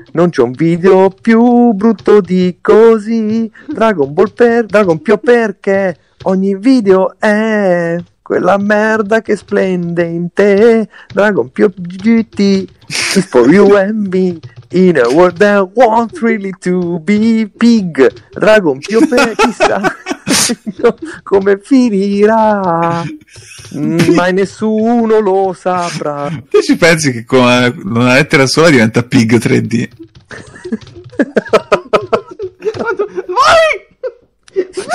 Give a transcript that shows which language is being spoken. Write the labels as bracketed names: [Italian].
[Italian] Non c'è un video più brutto di così. Dragon Ball per Dragon Pio, perché ogni video è quella merda che splende in te. [English] Dragon Pio Gitti, it's for you and me. In a world that wants really to be big. [Italian] Dragon Pio per chissà come finirà, ma nessuno lo saprà. Tu ci pensi che con una lettera sola diventa Pig 3D? Vai!